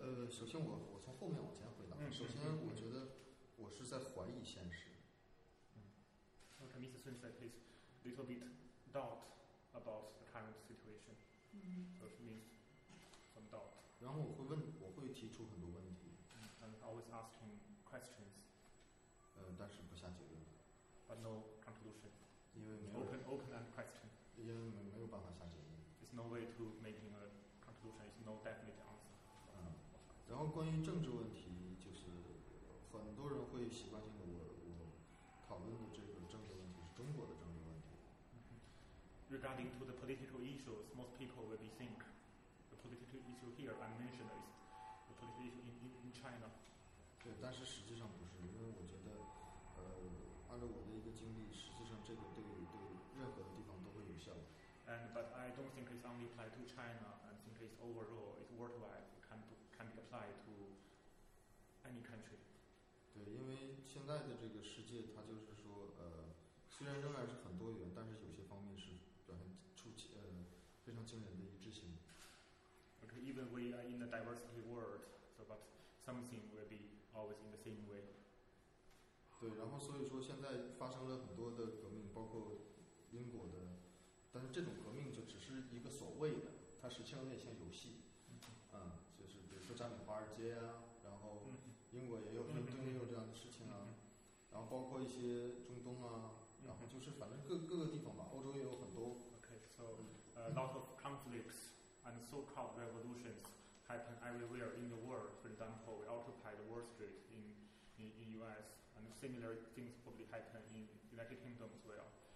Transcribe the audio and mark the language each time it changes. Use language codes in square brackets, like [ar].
[zh] 首先我从后面往前回答。嗯、首先，我觉得我是在怀疑现实。 [en] 嗯。What Mr. Sun said is a little bit doubt about the current situation. 嗯。 So it means some doubt. [zh] 然后我会提出很多问题。 [en] And always asking questions. [zh] 但是不下结论。 [en] But no conclusion. [zh] 因为没有。 [en] Open-ended question. [zh] 因为没有办法下结论。 [en] There's no way to making a conclusion. There's no definite answer. [zh] 然后关于政治问题，就是很多人会习惯性的我讨论的这个政治问题是中国的政治问题。 [en] Regarding to the political issues, most people will be think the political issue here I mentioned is the political issue in China. [zh] 对，但是实际上不是，因为我觉得，按照我的一个经历，实际上这个对任何的地方都会有效。 [en] And but I don't think it's only applied to China. I think it's overall, it's worldwide. Can be applied to any country. [zh] 对，因为现在的这个世界，它就是说，虽然仍然是很多元，但是有些方面是表现出非常惊人的一致性。 [en] Okay, even we are in a diversity world, so but something will be always in the same way. [zh] 对，然后所以说现在发生了很多的革命，包括英国的。但是这种革命就只是一个所谓的，它实际上那些游戏，就是比如说占领华尔街啊，然后英国也有伦敦也有这样的事情啊，然后包括一些中东啊，然后就是反正各个地方吧，欧洲也有很多。 [en] Okay, so lot of conflicts and so-called revolutions happen everywhere in the world. For example, we occupy the Wall Street in U.S. and similar things probably happen in United Kingdom as well.